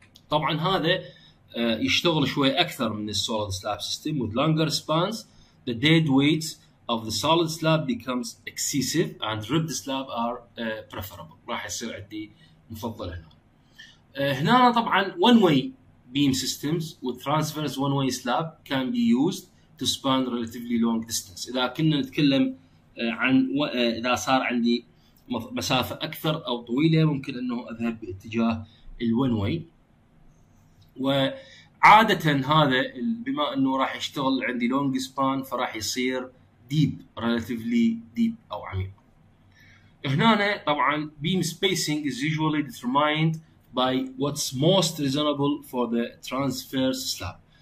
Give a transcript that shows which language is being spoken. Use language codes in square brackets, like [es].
[ar] طبعا هذا يشتغل شوي أكثر من السوليد سلاب سيستم. [en] With longer spans the dead weight of the solid slab becomes excessive and ribbed slab are preferable. [ar] راح يصير عندي مفضل هنا. هنا طبعا [en] one way beam systems with transverse one way slab can be used to span relatively long distance. [ar] إذا كنا نتكلم عن إذا صار عندي مسافة أكثر أو طويلة، ممكن أنه أذهب باتجاه ال one way. وعادة هذا بما أنه راح يشتغل عندي long span، فراح يصير deep relatively deep أو عميق. هنا طبعا [en] beam spacing is usually determined by what's most reasonable for the transverse slab.